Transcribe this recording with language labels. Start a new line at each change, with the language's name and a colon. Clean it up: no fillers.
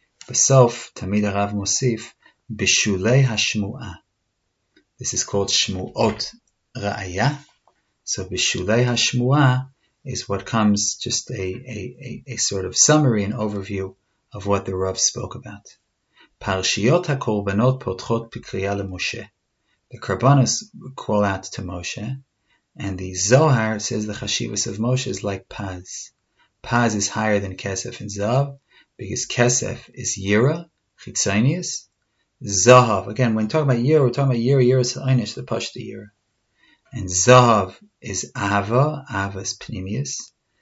Hebrew: בסוף, תמיד הרב מוסיף, בשולי השמועה.
English: This is called שמועות ראיה. So
Hebrew: בשולי השמועה
English: is what comes, just a sort of summary and overview of what the Rav spoke about.
Hebrew: פרשיות הקורבנות פותחות בקריאה למשה.
English: The Karbanos call out to Moshe, and the Zohar says the Chashivas of Moshe is like Paz. Paz is higher than Kesef and Zav, because Kesef is Yira, Chitzonius, Zahav. Again, when talking about Yira, we're talking about Yira, Yira is Einish, the Pashta Yira. And Zahav is Ava, Ava is Pnimius.